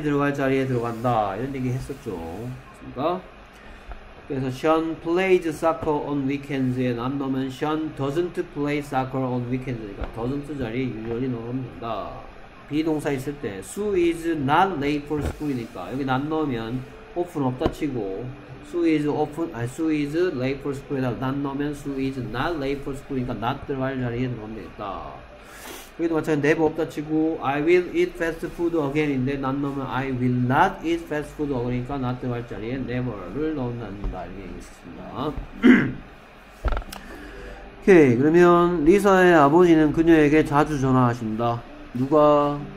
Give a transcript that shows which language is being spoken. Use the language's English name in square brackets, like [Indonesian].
[Korean] 들어갈 자리에 들어간다 이런 얘기 했었죠. 그러니까 그래서 [English] Sean plays soccer on weekends [Korean] and I'm 넣으면 Sean doesn't play soccer on weekends. 그러니까 doesn't 자리에 usually 넣으면 된다. 비동사 있을 때 [English] Sue is not late for school [Korean] 이니까 여기 not 넣으면 often 없다 치고 [English] Sue is often, Sue is late for school. [Korean] 에다가 not 넣으면 [English] Sue is not late for school. [Korean] 그러니까 not 들어갈 자리에 넣으면 되겠다. 여기도 마찬가지로 never 없다 치고 [English] I will eat fast food again [Korean] 인데 not 넣으면 [English] I will not eat fast food again. [Korean] 그러니까 not 들어갈 자리에 never를 넣는다. 이렇게 얘기했습니다. 오케이. 그러면 리사의 아버지는 그녀에게 자주 전화하신다. 누가?